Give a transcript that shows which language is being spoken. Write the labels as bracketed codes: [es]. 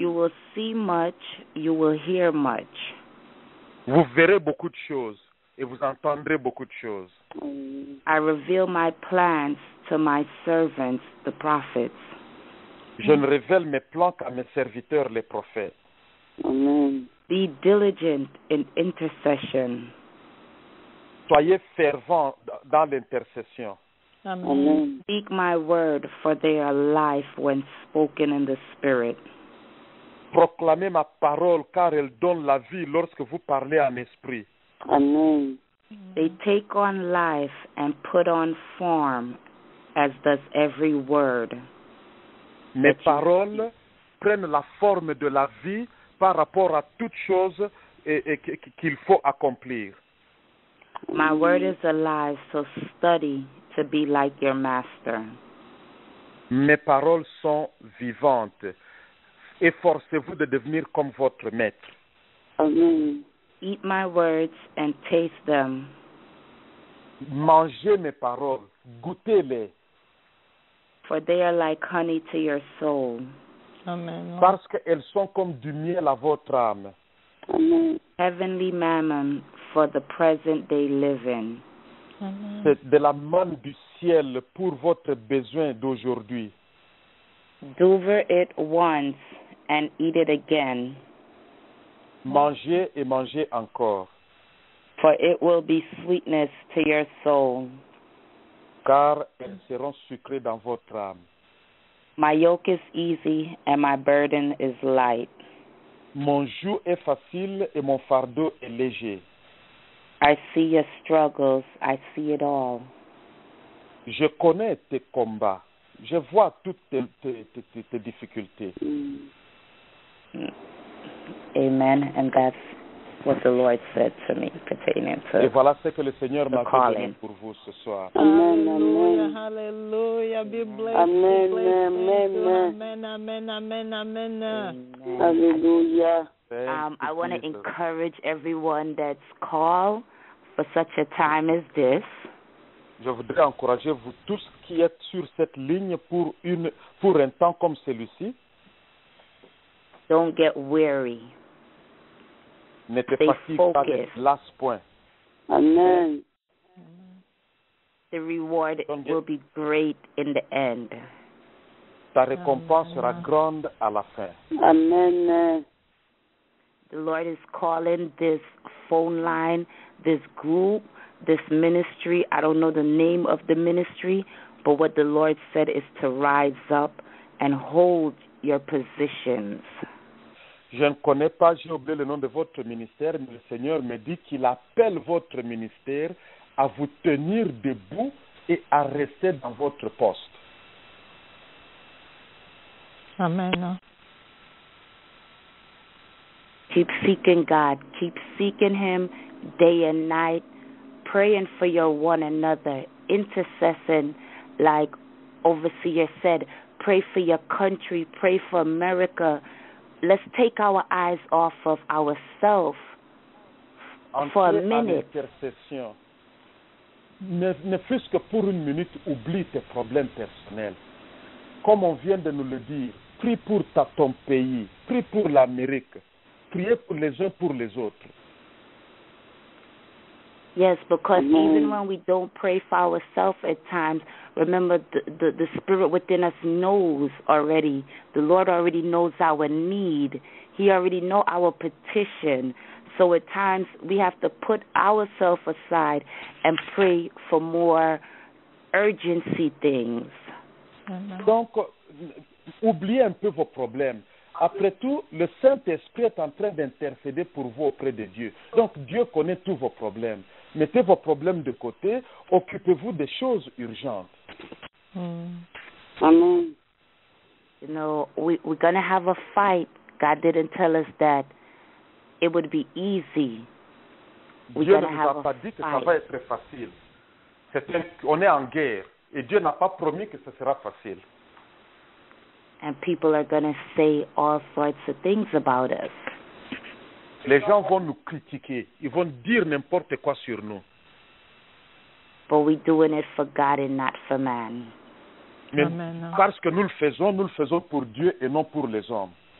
[en] You will see much, you will hear much. [fr] Vous verrez beaucoup de choses et vous entendrez beaucoup de choses. [en] I reveal my plans to my servants, the prophets. [fr] Je ne révèle mes plans qu'à mes serviteurs, les prophètes. [en] Amen. Be diligent in intercession. [fr] Soyez fervents dans l'intercession. [en] Amen. Speak my word, for they are life when spoken in the Spirit. [fr] Proclamez ma parole, car elle donne la vie lorsque vous parlez en esprit. [en] Amen. They take on life and put on form, as does every word. [fr] Mes paroles prennent la forme de la vie par rapport à toute chose qu'il faut accomplir. [en] My word is alive, so study to be like your master. [fr] Mes paroles sont vivantes. Efforcez-vous de devenir comme votre maître. [en] Amen. Eat my words and taste them. [fr] Mangez mes paroles. Goûtez-les. [en] For they are like honey to your soul. Amen. [fr] Parce qu'elles sont comme du miel à votre âme. [en] Amen. Heavenly mammon for the present they live in. [fr] C'est de la manne du ciel pour votre besoin d'aujourd'hui. [en] Devour it once and eat it again. [fr] Mangez et mangez encore. [en] For it will be sweetness to your soul. [fr] Car elles seront sucrées dans votre âme. [en] My yoke is easy and my burden is light. [fr] Mon joug est facile et mon fardeau est léger. [en] I see your struggles, I see it all. [fr] Je connais tes combats, je vois toutes tes difficultés. [en] Amen, and that's what the Lord said to me pertaining to. [fr] Et voilà ce que le Seigneur m'a donné pour vous ce soir. [en] Amen, amen. Hallelujah, be blessed. Amen, be blessed. Amen, amen, amen, amen, amen, amen. Hallelujah. I want to encourage everyone that's called for such a time as this. [fr] Je voudrais encourager vous tous qui êtes sur cette ligne pour un temps comme celui-ci. [en] Don't get weary. [fr] Ne te fatigue pas de [en] last point. Amen. The reward will be great in the end. [fr] Ta récompense sera grande à la fin. [en] Amen. The Lord is calling this phone line, this group, this ministry. I don't know the name of the ministry, but what the Lord said is to rise up and hold your positions. [fr] Je ne connais pas, j'ai oublié le nom de votre ministère, mais le Seigneur me dit qu'il appelle votre ministère à vous tenir debout et à rester dans votre poste. [en] Amen. Keep seeking God. Keep seeking Him day and night, praying for your one another, intercessing, like Overseer said, pray for your country, pray for America. Let's take our eyes off of ourselves for a minute. Intercession. [fr] Ne fût-ce que pour une minute, oublie tes problèmes personnels. Comme on vient de nous le dire, prie pour ton pays, prie pour l'Amérique. Priez pour les uns, pour les autres. [en] Yes, because even when we don't pray for ourselves at times, remember the spirit within us knows already. The Lord already knows our need. He already knows our petition. So at times we have to put ourselves aside and pray for more urgency things. [fr] Donc, oubliez un peu vos problèmes. Après tout, le Saint-Esprit est en train d'intercéder pour vous auprès de Dieu. Donc Dieu connaît tous vos problèmes. Mettez vos problèmes de côté, occupez-vous des choses urgentes. [en] Amen. You know, we're going to have a fight. God didn't tell us that it would be easy. [fr] Dieu ne nous a pas dit que ça va être facile. On est en guerre et Dieu n'a pas promis que ce sera facile. [en] And people are going to say all sorts of things about us. [fr] Les gens vont nous critiquer. Ils vont dire n'importe quoi sur nous. [en] But we're doing it for God and not for man. [fr] Mais Amen. Parce que nous le faisons pour Dieu et non pour les hommes.